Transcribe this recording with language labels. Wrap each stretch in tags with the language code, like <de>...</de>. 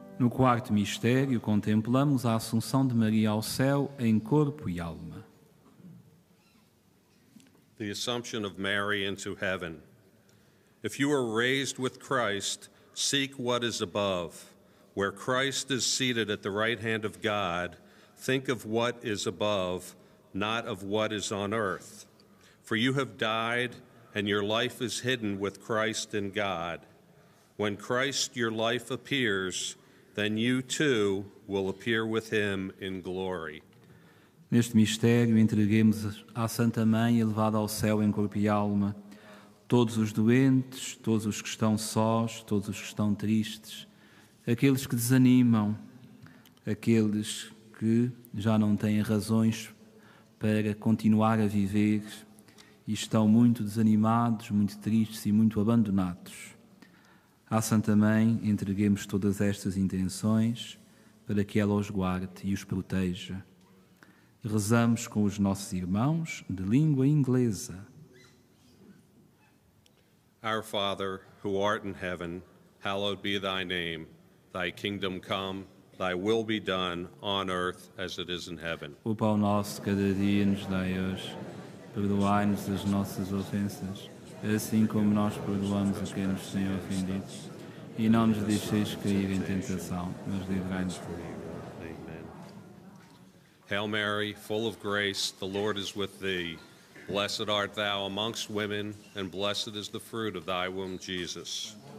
<pt>Quarto mistério, contemplamos a assunção de Maria ao céu em corpo e alma.</pt> <en>The assumption of Mary into heaven. If you are raised with Christ, seek what is above. Where Christ is seated at the right hand of God, think of what is above, not of what is on earth. For you have died, and your life is hidden with Christ in God. When Christ, your life, appears, then you too will appear with him in glory.</en> <pt>Neste mistério, entreguemos à Santa Mãe, elevada ao céu em corpo e alma, todos os doentes, todos os que estão sós, todos os que estão tristes, aqueles que desanimam, aqueles que já não têm razões para continuar a viver e estão muito desanimados, muito tristes e muito abandonados. À Santa Mãe, entreguemos todas estas intenções para que ela os guarde e os proteja. Rezamos com os nossos irmãos de língua inglesa.</pt> <en>Our Father, who art in heaven, hallowed be thy name. Thy kingdom come, thy will be done, on earth as it is in heaven.</en> <pt>O pão nosso cada dia nos dai hoje. Perdoai-nos as nossas ofensas, assim como nós perdoamos a quem nos tem ofendido. E não nos deixeis cair em tentação, mas livrai-nos do mal.</pt> <en>Hail Mary, full of grace, the Lord is with thee. Blessed art thou amongst women, and blessed is the fruit of thy womb, Jesus.</en>